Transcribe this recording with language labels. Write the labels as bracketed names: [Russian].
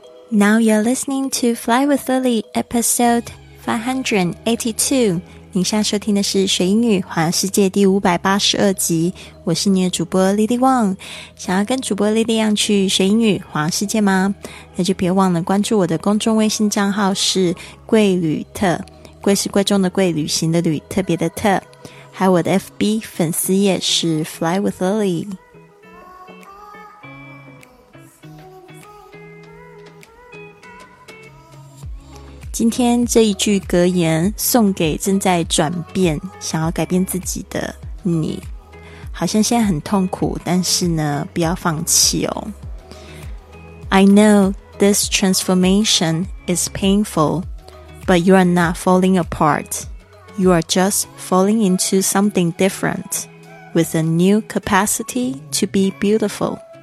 [English] Now you're listening to Fly with Lily, episode 582. [Chinese] 您现在收听的是学英语环游世界第582集。我是你的主播 Lily Wang。想要跟主播 Lily Wang 去学英语环游世界吗？那就别忘了关注我的公众微信账号是贵旅特。贵是贵重的贵，旅行的旅，特别的特。还有我的 FB 粉丝页是 Fly with Lily。今天这一句格言送给正在转变想要改变自己的你，好像现在很痛苦，但是呢不要放弃哦。 [English] I know this transformation is painful, but you are not falling apart. You are just falling into something different with a new capacity to be beautiful.